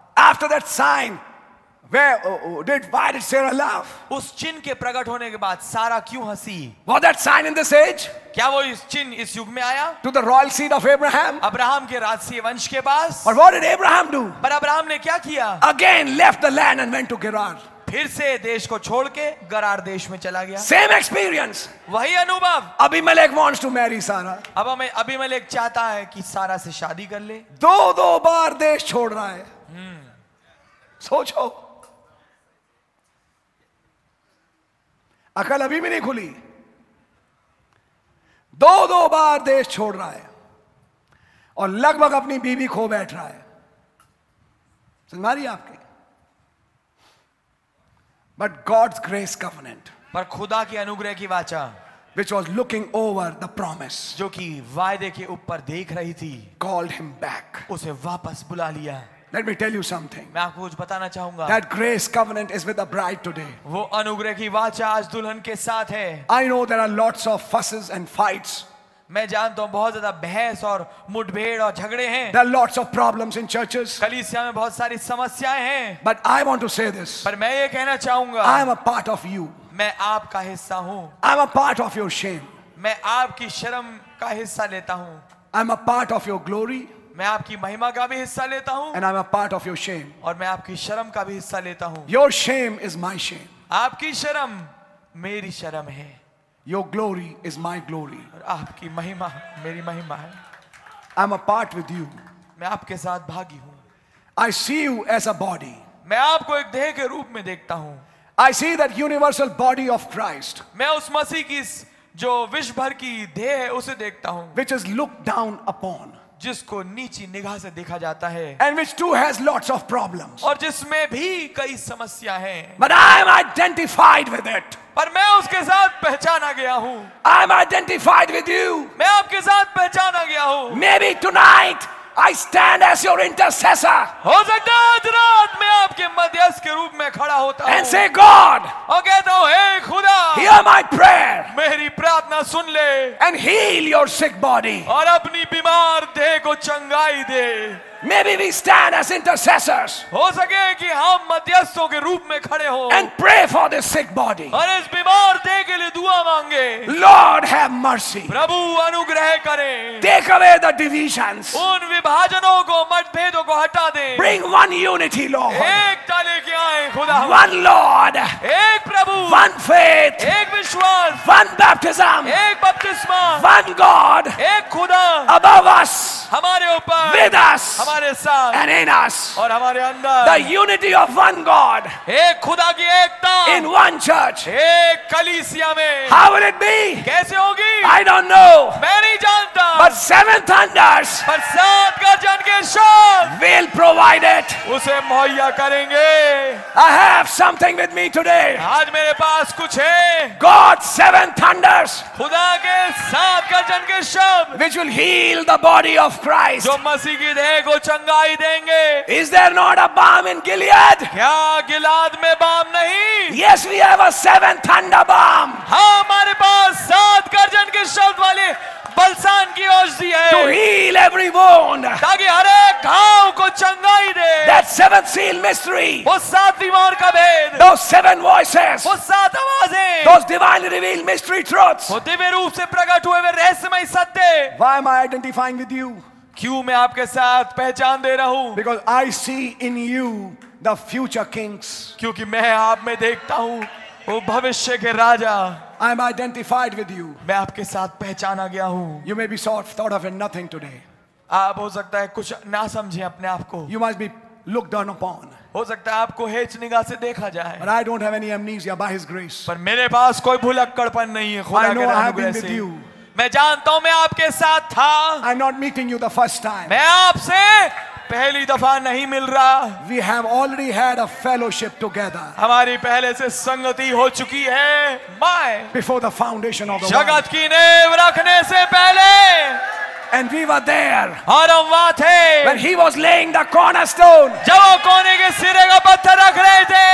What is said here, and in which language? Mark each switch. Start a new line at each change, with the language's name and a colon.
English: After that sign, why did Sarah laugh?
Hindi: Us chin ke pragat hone ke baad Sarah kyun hasi?
English: Was that sign in this age?
Hindi: Kya wo is chin is yug mein aaya?
English: To the royal seed of Abraham?
Hindi: Abraham ke rajsiya vansh ke paas?
English: But what did Abraham do?
Hindi: Par Abraham ne kya kiya?
English: Again left the land and went to Gerar.
Hindi: फिर से देश को छोड़ के गरार देश में चला गया.
English: Same experience.
Hindi: वही अनुभव.
English: Abimelech wants to marry Sarah.
Hindi: अब हमें Abimelech चाहता है कि सारा से शादी कर ले. दो दो बार देश छोड़ रहा है. सोचो. अकल अभी भी नहीं खुली. दो दो बार देश छोड़ रहा है और लगभग अपनी बीवी खो बैठ रहा है. समझ रही है आपके?
English: But God's grace covenant,
Hindi: पर खुदा की अनुग्रह की वाचा,
English: which was looking over the promise,
Hindi: जो कि वायदे के ऊपर देख रही थी,
English: called him back,
Hindi: उसे वापस बुला लिया.
English: Let me tell you something.
Hindi: मैं आपको कुछ बताना चाहूँगा.
English: That grace covenant is with the bride today.
Hindi: वो अनुग्रह की वाचा आज दुल्हन के साथ है.
English: I know there are lots of fusses and fights.
Hindi: मैं जानता हूँ बहुत ज़्यादा बहस और मुठभेड़ और झगड़े हैं.
English: There are lots of problems in churches.
Hindi: कलीसिया में बहुत सारी समस्याएं हैं.
English: But I want to say this.
Hindi: पर मैं ये कहना चाहूँगा.
English: I am a part of you.
Hindi: मैं आपका हिस्सा हूँ.
English: I am a part of your shame.
Hindi: मैं आपकी शर्म का हिस्सा लेता हूँ.
English: I am a part of your glory.
Hindi: मैं आपकी महिमा का भी हिस्सा लेता हूँ.
English: And I am a part of your shame.
Hindi: और मैं आपकी शर्म का भी हिस्सा लेता हूँ.
English: Your shame is my shame.
Hindi: आपकी शर्म मेरी शर्म है.
English: Your glory is my glory.
Hindi: आपकी महिमा मेरी महिमा है.
English: I'm a part with you.
Hindi: मैं आपके साथ भागी हूँ.
English: I see you as a body.
Hindi: मैं आपको एक देह के रूप में देखता हूँ.
English: I see that universal body of Christ.
Hindi: मैं उस मसीह की जो विश्व भर की देह है उसे देखता हूँ.
English: Which is looked down upon.
Hindi: जिसको नीची निगाह से देखा जाता है.
English: And which too has lots of problems.
Hindi: और जिसमें भी कई समस्या है.
English: But I am identified with it.
Hindi: पर मैं उसके साथ पहचाना गया हूँ.
English: I am identified with you.
Hindi: मैं आपके साथ पहचाना गया हूँ.
English: Maybe tonight I stand as your intercessor.
Hindi: हो सकता है आज रात मैं आपके मध्यस्थ के रूप में खड़ा होता हूँ.
English: And say God.
Hindi: और कहता हूँ हे खुदा.
English: Hear my prayer.
Hindi: मेरी प्रार्थना सुन ले.
English: And heal your sick body.
Hindi: और अपनी बीमार देह को चंगाई दे.
English: Maybe we stand as intercessors.
Hindi: हो सके कि हम मध्यस्थों के रूप में खड़े हो.
English: And pray for this sick body.
Hindi: और इस बीमार देह के लिए दुआ मांगे.
English: Lord have mercy.
Hindi: प्रभु अनुग्रह करे.
English: Take away the divisions.
Hindi: उन विभाजनों को मतभेदों को हटा दे.
English: Bring one unity, Lord.
Hindi: एक ताले के आए खुदा.
English: One Lord.
Hindi: एक प्रभु.
English: One faith.
Hindi: एक विश्वास.
English: One baptism.
Hindi: एक बपतिस्मा.
English: One God.
Hindi: एक खुदा.
English: Above us.
Hindi: हमारे ऊपर.
English: With us.
Hindi: हमारे साथ.
English: And in us.
Hindi: और हमारे अंदर.
English: The unity of one God.
Hindi: एक खुदा की एकता.
English: In one church.
Hindi: एक कलीसिया में.
English: How will it be?
Hindi: कैसे होगी?
English: I don't know.
Hindi: मैं नहीं जानता.
English: But seven thunders.
Hindi: पर सात गर्जन के शब्द.
English: Will provide it.
Hindi: उसे मुहैया करेंगे.
English: I have something with me today.
Hindi: आज मेरे पास कुछ है.
English: God's seven thunders.
Hindi: खुदा के सात गर्जन के शब्द.
English: Which will heal the body of Christ.
Hindi: जो मसीह की देह को चंगाई देंगे.
English: Is there not a balm in Gilead?
Hindi: क्या गिलाद में बाम नहीं?
English: Yes, we have a seven thunder balm.
Hindi: हाँ, हमारे पास सात गर्जन के शब्द वाले बलसान की औषधि है.
English: To heal every wound.
Hindi: ताकि हर एक घाव को चंगाई दे.
English: That seventh seal mystery.
Hindi: वो सात दीवार का भेद.
English: Those seven voices.
Hindi: वो सात आवाजें.
English: Those divine revealed mystery truths.
Hindi: वो दिव्य रूप से प्रकट हुए वे रहस्यमय सत्य.
English: Why am I identifying with you?
Hindi: क्यों मैं आपके साथ पहचान दे रहा हूँ?
English: Because I see in you the future kings.
Hindi: क्योंकि मैं आप में देखता हूँ वो भविष्य के राजा.
English: I am identified with you.
Hindi: मैं आपके साथ पहचाना गया हूँ.
English: You may be thought of in nothing today.
Hindi: आप हो सकता है कुछ ना समझे अपने आप को.
English: You must be looked down upon.
Hindi: हो सकता है आपको हेच निगाह से देखा जाए.
English: But I don't have any amnesia by His grace.
Hindi: पर मेरे पास कोई भुलक्कड़पन नहीं है खुदा के अनुग्रह से.
English: I know I have been with you.
Hindi: मैं जानता हूँ मैं आपके साथ था.
English: I'm not meeting you the first time.
Hindi: मैं आपसे पहली दफा नहीं मिल रहा.
English: We have already had a fellowship together.
Hindi: हमारी पहले से संगति हो चुकी है.
English: Before the foundation of the world.
Hindi: जगत की नींव रखने से पहले. A
English: And we were there.
Hindi: और हम वहाँ थे.
English: When he was laying the cornerstone.
Hindi: जब वो कोने के सिरे का पत्थर रख रहे थे.